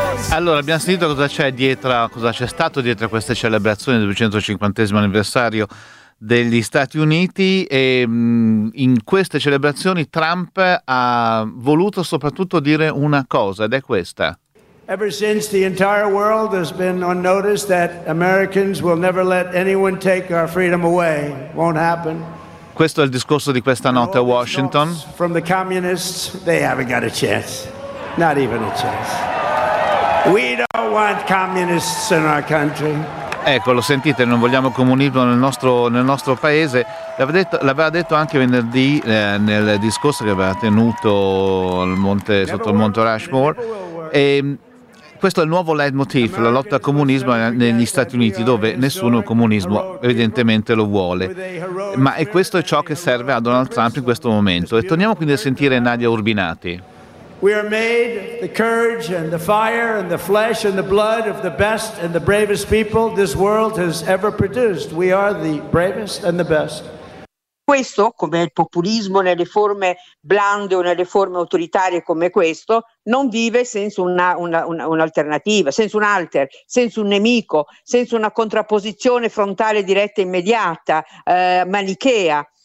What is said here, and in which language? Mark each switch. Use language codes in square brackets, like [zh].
[it] Allora, abbiamo sentito cosa c'è stato dietro a queste celebrazioni del 250° anniversario degli Stati Uniti, e in queste celebrazioni Trump ha voluto soprattutto dire una cosa, ed è questa. [en] Ever since, the entire world has been on notice that Americans will never let anyone take our freedom away. Won't happen. [it] Questo è il discorso di questa notte a Washington. [en] From the communists, they haven't got a chance. Not even a chance. We don't want communists in our country. [it] Ecco, lo sentite, non vogliamo comunismo nel nostro paese. L'aveva detto anche venerdì nel discorso che aveva tenuto sotto il monte Rushmore. E questo è il nuovo leitmotiv, la lotta al comunismo negli Stati Uniti, dove nessuno il comunismo evidentemente lo vuole. Ma è questo è ciò che serve a Donald Trump in questo momento. E torniamo quindi a sentire Nadia Urbinati. [en] We are made the courage and the fire and the flesh and the blood of the best and the bravest people this world has ever produced. We are the bravest and the best. [it] Questo, come il populismo nelle forme blande o nelle forme autoritarie come questo, non vive senza un'alternativa, senza un alter, senza un nemico, senza una contrapposizione frontale, diretta e immediata, manichea.